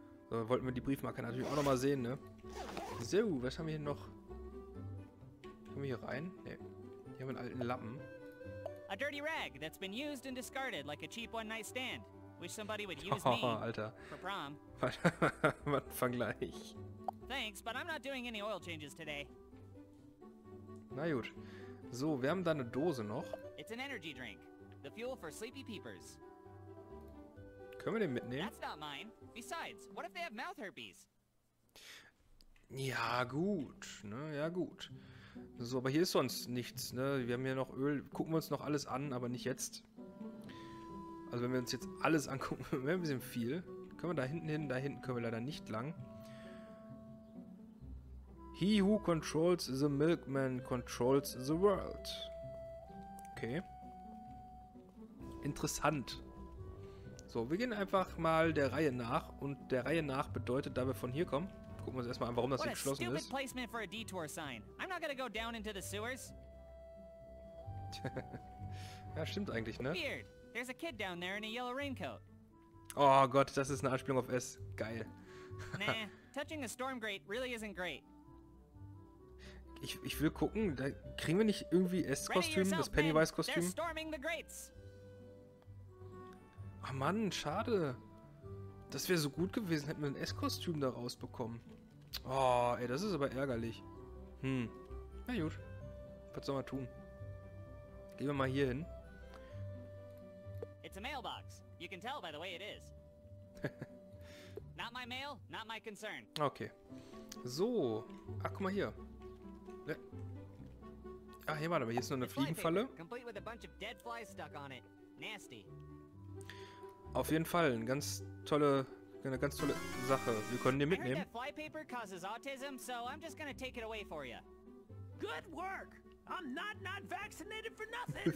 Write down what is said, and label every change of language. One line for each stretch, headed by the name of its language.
German: So, wollten wir die Briefmarke natürlich auch nochmal sehen, ne? So, was haben wir hier noch? Kommen wir hier rein? Ne. Hier haben wir einen alten Lappen.
English: A dirty rag that's been used and discarded like a cheap one-night stand. Wish somebody would use me.
German: Alter.
English: For prom.
German: Was Vergleich.
English: Thanks, but I'm not doing any oil changes today.
German: Na gut. So, wir haben da eine Dose noch.
English: It's an energy drink. The fuel for sleepy peepers.
German: Können wir den mitnehmen?
English: That's not mine. Besides, what if they have mouth herpes?
German: Ja, gut. Ne, ja, gut. So, aber hier ist sonst nichts, ne? Wir haben hier noch Öl. Gucken wir uns noch alles an, aber nicht jetzt. Also wenn wir uns jetzt alles angucken, wäre ein bisschen viel. Können wir da hinten hin? Da hinten können wir leider nicht lang.
English: He who controls the milkman controls the world.
German: Okay. Interessant. So, wir gehen einfach mal der Reihe nach. Und der Reihe nach bedeutet, da wir von hier kommen. Gucken wir uns erstmal an, warum das hier geschlossen ist.
English: Placement for a detour sign. I'm not gonna go down into the sewers.
German: Ja, stimmt eigentlich, ne?
English: Weird. There's a kid down there in a yellow raincoat.
German: Oh Gott, das ist eine Anspielung auf S. Geil.
English: Nah, touching a storm grate really isn't great.
German: Ich will gucken, da kriegen wir nicht irgendwie S-Kostüm, das Pennywise-Kostüm? Ach Mann, schade. Das wäre so gut gewesen, hätten wir ein S-Kostüm da rausbekommen. Oh, ey, das ist aber ärgerlich. Hm. Na gut. Was soll man tun? Gehen wir mal hier hin.
English: It's a mailbox. You can tell by the way it is. Not my mail, not my concern.
German: Okay. So. Ach, guck mal hier. Ach, hier, warte mal. Hier ist noch eine Fliegenfalle.
English: Complete with a bunch of dead flies stuck on it. Nasty.
German: Auf jeden Fall eine ganz tolle Sache. Wir können den mitnehmen.
English: Flypaper causes autism, so I'm just gonna take it away for you. Good work. I'm not vaccinated for nothing.